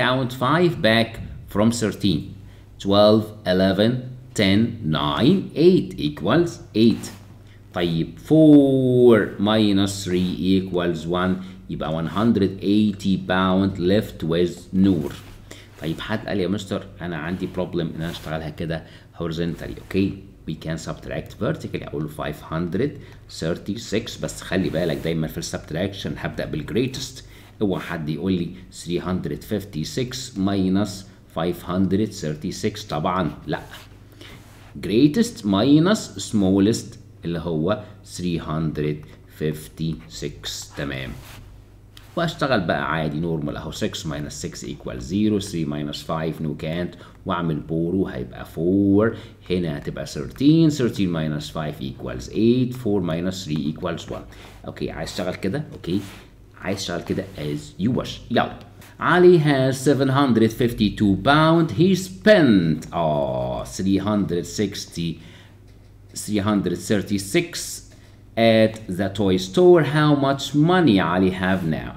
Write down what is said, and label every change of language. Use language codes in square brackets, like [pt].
[en] Count 5 back from 13. 12, 11, 10, 9, 8 equals 8. طيب 4 minus 3 equals 1 يبقى 180 pound left with Noor. [ar] طيب حد قال يا مستر انا عندي problem ان انا اشتغلها كده horizontally. [en] Okay, we can subtract vertically. [ar] اقول 536 بس خلي بالك دايما في subtraction هبدأ بالgreatest. اوعى حد يقول لي 356 minus 536 طبعا لا [en] greatest minus smallest [ar] اللي هو 356 تمام واشتغل بقى عادي [en] normal اهو 6 minus 6 equals 0 3 minus 5 no can't واعمل borrow [ar] هيبقى 4 هنا هتبقى [en] 13 13 minus 5 equals 8 4 minus 3 equals 1 okay [ar] عايز اشتغل كده [en] Okay عايز اشتغل كده as you wish يلا Ali has 752 pound. He spent 336 at the toy store. How much money Ali have now?